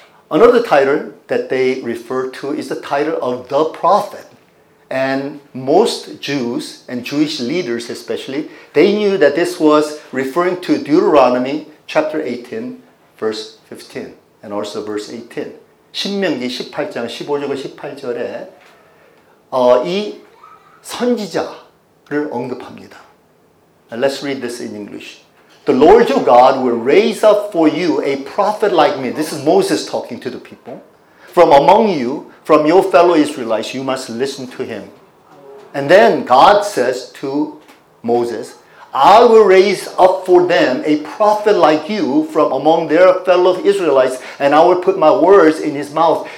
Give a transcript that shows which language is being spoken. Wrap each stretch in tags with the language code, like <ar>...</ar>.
<en>Another title that they refer to is the title of the prophet. And most Jews, and Jewish leaders especially, they knew that this was referring to Deuteronomy chapter 18, verse 15, and also verse 18.</en> <ko>신명기 18장, 15절과 18절에 이 선지자를 언급합니다.</ko> <en>And let's read this in English. The Lord your God will raise up for you a prophet like me. This is Moses talking to the people. From among you, from your fellow Israelites, you must listen to him. And then God says to Moses, I will raise up for them a prophet like you from among their fellow Israelites, and I will put my words in his mouth.</en>